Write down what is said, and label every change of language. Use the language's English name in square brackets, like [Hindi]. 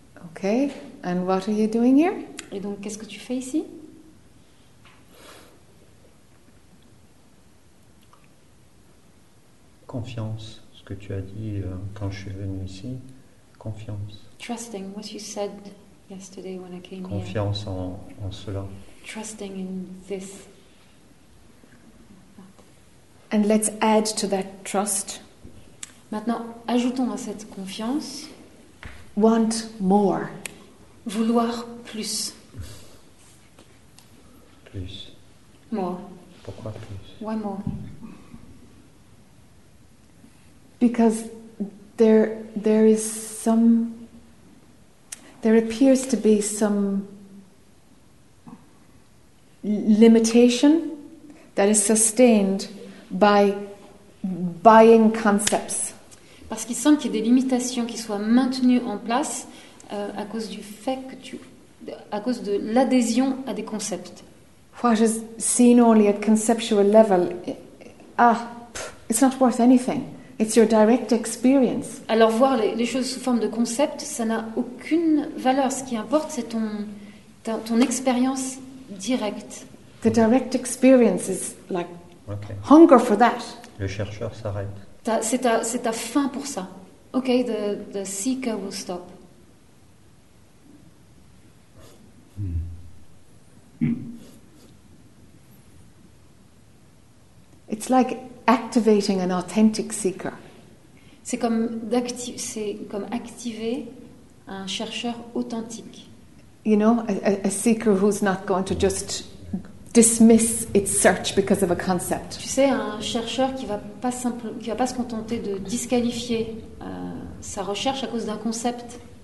[English] Okay, and what are you doing here? [French] Et donc, qu'est-ce que tu fais ici? Confiance. ce que tu as dit quand je suis venu ici, confiance. [English] Trusting what you said yesterday when I came [French] confiance [English] here. [French] Confiance en cela. [English] Trusting in this. And let's add to that trust. [French] Maintenant, ajoutons à cette confiance. [English] Want more. [French] Vouloir plus. Plus. [English] More. [French] Pourquoi plus? [English] Why more? Because there appears to be some limitation that is sustained by buying concepts. [French] Parce qu'il semble qu'il y ait des limitations qui soient maintenues en place à cause du fait que tu, à cause de l'adhésion à des concepts. [English] What is seen only at conceptual level, it's not worth anything. It's your direct experience. [French] Alors voir les choses sous forme de concept, ça n'a aucune valeur. Ce qui importe, c'est ton expérience directe. [English] The direct experience is like okay. Hunger for that. [French] Le chercheur s'arrête. C'est ta faim pour ça. [English] Okay, the seeker will stop. It's like activating an authentic seeker. [French] C'est comme activer un chercheur authentique. [English] You know, a seeker who's not going to just dismiss its search because of a concept. [French] Tu sais, un chercheur qui va pas se contenter de disqualifier sa recherche à cause d'un concept.